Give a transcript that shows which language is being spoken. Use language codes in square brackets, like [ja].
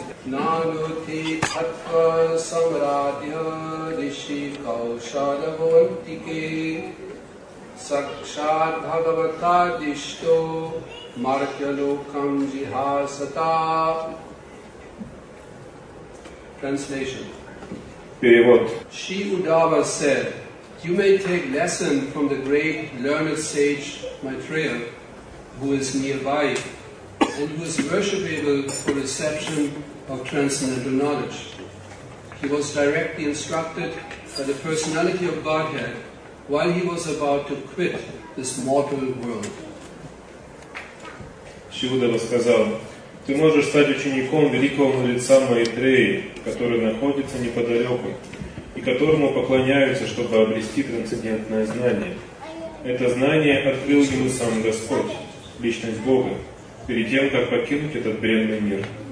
[sa] Нануты атва саврадья, Риши каушада вонтике, Сакшат бхагавата дишто, Маркьялокам джихасата. [en] Translation. [ru] Перевод. [en] Shri Uddhava said, "You may take lesson from the great learned sage Maitreya, who is nearby and who is worshipable for reception of transcendental knowledge. He was directly instructed by the personality of Godhead while he was about to quit this mortal world." [ru] Shri Uddhava сказал, "Ты можешь стать учеником великого мудреца Майтреи, который находится неподалеку и которому поклоняются, чтобы обрести трансцендентное знание. Это знание открыл ему сам Господь, Личность Бога, перед тем, как покинуть этот бренный мир."